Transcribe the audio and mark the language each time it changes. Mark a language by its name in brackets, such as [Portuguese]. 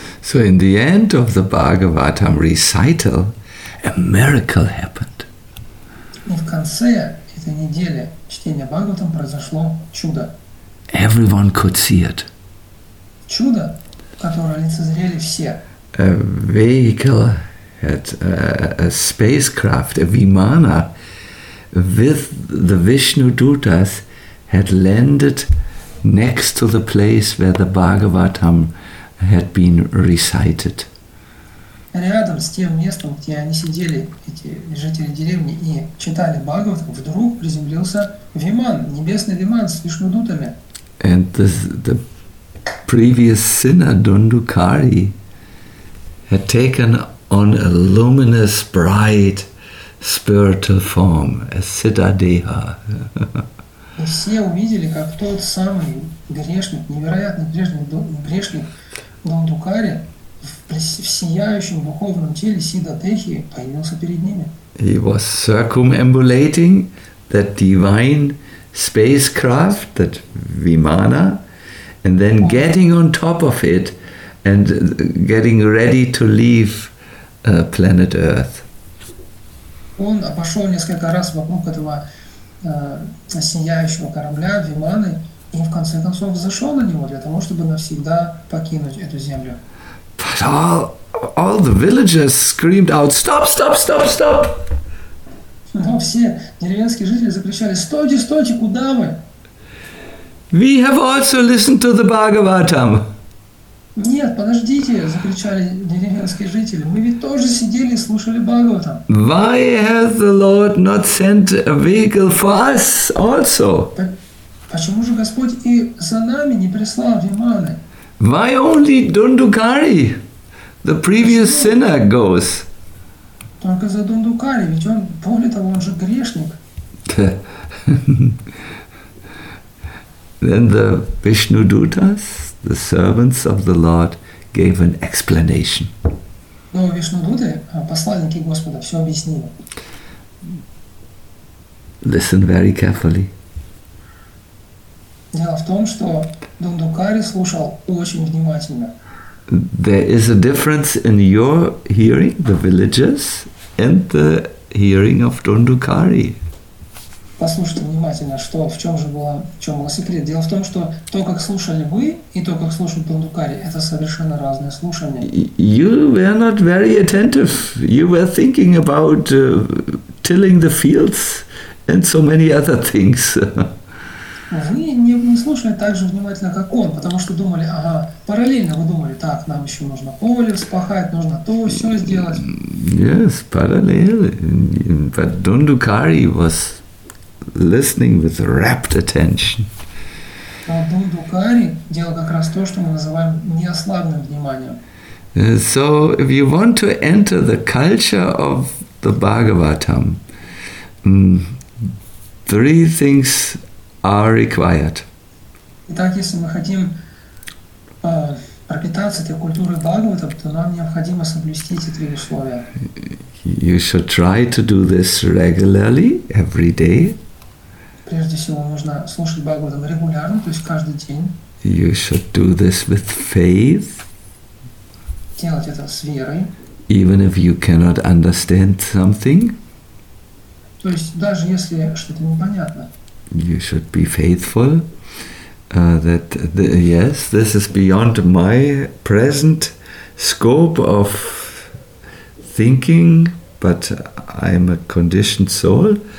[English] So in the end of the Bhagavatam recital, a miracle happened. [Russian] И в конце этой недели чтения Бхагаватам произошло чудо. [English] Everyone could see it. [Russian] Чудо, которое лицезрели все. [English] A vehicle had a spacecraft, a vimana with the Vishnu Dutas had landed next to the place where the Bhagavatam had been recited. [Russian] Рядом с тем местом, где они сидели, эти жители деревни, и читали Бхагаватам, вдруг приземлился виман, небесный виман с Вишну Дутами. [English] And the previous sinner Dundukari had taken on a luminous, bright spiritual form, a siddha deha. [Russian] Все увидели, как тот самый грешник, невероятный грешник Дандукари в сияющем духовном теле Сиддатехи появился перед ними. [English] He was circumambulating that divine spacecraft, that Vimana, and then getting on top of it and getting ready to leave planet Earth. [Russian] Он обошел несколько раз вокруг этого сияющего корабля, Виманы, и в конце концов зашел на него для того, чтобы навсегда покинуть эту землю. [English] But all the villagers screamed out, "Stop, stop, stop, stop!" [Russian] Но все деревенские жители закричали, "Стойте, стойте, куда вы?" [English] We have also listened to the Bhagavatam. [Russian] Нет, подождите, закричали деревенские жители. Мы ведь тоже сидели и слушали Бхагаватам. [English] Why has the Lord not sent a vehicle for us also? [Russian] Почему же Господь и за нами не прислал Виманы? [English] Why only Dundukari, the previous sinner, goes? [Russian] Только за Дундукари, ведь он, более того, он же грешник. [English] Then the Vishnudutas, the servants of the Lord, gave an explanation. [Russian] Но Вишнудуты, посланники Господа, все объяснили. [English] Listen very carefully. [Russian] Дело в том, что Дундукари слушал очень внимательно. [English] There is a difference in your hearing, the villagers, and the hearing of Dundukari. [Russian] Послушайте внимательно, что в чем же было, в чем был секрет. Дело в том, что то, как слушали вы, и то, как слушал Дундукари, это совершенно разные слушания. [English] You were not very attentive. You were thinking about tilling the fields and so many other things. [Russian] Вы не слушали так же внимательно, как он, потому что думали, ага, параллельно вы думали, так, нам еще нужно поле вспахать, нужно то, все сделать. [English] Yes, [Russian] параллельно. [English] But Dundukari was listening with rapt attention. [Russian] Дундукари делал как раз то, что мы называем неослабным вниманием. [English] So, if you want to enter the culture of the Bhagavatam, three things are required. [Russian] Итак, если мы хотим пропитаться этой культурой Бхагаватам, то нам необходимо соблюсти эти три условия. [English] You should try to do this regularly, every day. [Russian] Прежде всего, нужно слушать Бхагаватам регулярно, то есть каждый день. [English] You should do this with faith. [Russian] Делать это с верой. [English] Even if you cannot understand something. [Russian] То есть, даже если что-то непонятно. [English] You should be faithful. Yes, this is beyond my present scope of thinking, but I'm a conditioned soul.